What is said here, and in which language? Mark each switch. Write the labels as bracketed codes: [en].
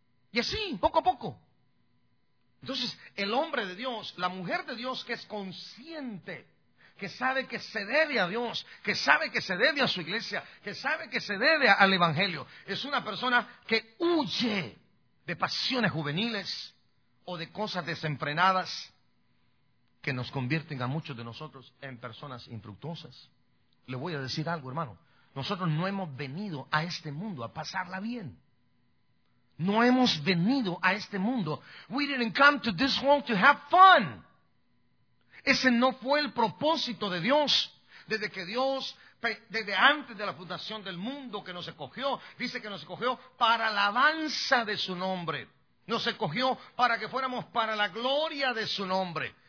[es] Y así, poco a poco. Entonces, el hombre de Dios, la mujer de Dios que es consciente, que sabe que se debe a Dios, que sabe que se debe a su iglesia, que sabe que se debe al Evangelio, es una persona que huye de pasiones juveniles o de cosas desenfrenadas, que nos convierten a muchos de nosotros en personas infructuosas. Le voy a decir algo, hermano. Nosotros no hemos venido a este mundo a pasarla bien. No hemos venido a este mundo. [en] We didn't come to this world to have fun. [es] Ese no fue el propósito de Dios. Desde que Dios, desde antes de la fundación del mundo que nos escogió, dice que nos escogió para la alabanza de su nombre. Nos escogió para que fuéramos para la gloria de su nombre.